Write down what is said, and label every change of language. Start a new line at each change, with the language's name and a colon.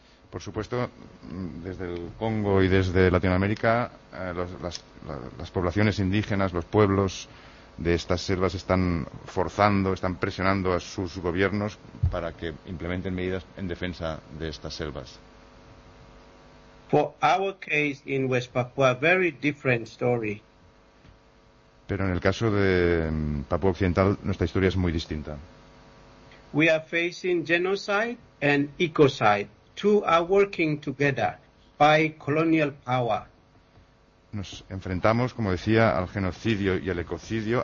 Spanish: Por supuesto, desde el Congo y desde Latinoamérica, las poblaciones indígenas, los pueblos de estas selvas están forzando, están presionando a sus gobiernos para que implementen medidas en defensa de estas selvas.
English: For our case in West Papua, very different story.
Spanish: Pero en el caso de Papúa Occidental, nuestra historia es muy distinta.
English: We are facing genocide and ecocide. Two are working together by colonial power.
Spanish: Nos enfrentamos, como decía, al genocidio y al ecocidio.